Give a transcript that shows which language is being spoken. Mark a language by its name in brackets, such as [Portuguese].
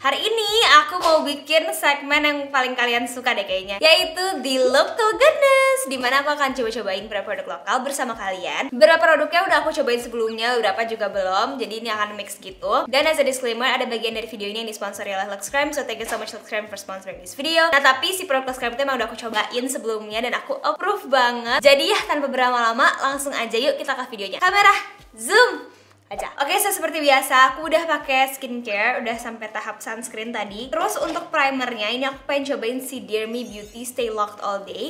[Indonesian] Hari ini aku mau bikin segmen yang paling kalian suka deh kayaknya, yaitu The Local Goodness, dimana aku akan coba-cobain beberapa produk lokal bersama kalian. Beberapa produknya udah aku cobain sebelumnya, beberapa juga belum. Jadi ini akan mix gitu. Dan [English] as a disclaimer, [Indonesian] ada bagian dari video ini yang disponsori oleh Lux Cream. [English] So thank you so much Lux Cream for sponsoring this video. [Indonesian] Nah tapi si produk Lux Cream itu emang udah aku cobain sebelumnya dan aku approve banget. Jadi ya tanpa berlama-lama, langsung aja yuk kita ke videonya. Kamera, zoom aja. Oke, so seperti biasa, aku udah pakai skincare, udah sampai tahap sunscreen tadi. Terus untuk primernya, ini aku pengen cobain si Dear Me Beauty Stay Locked All Day.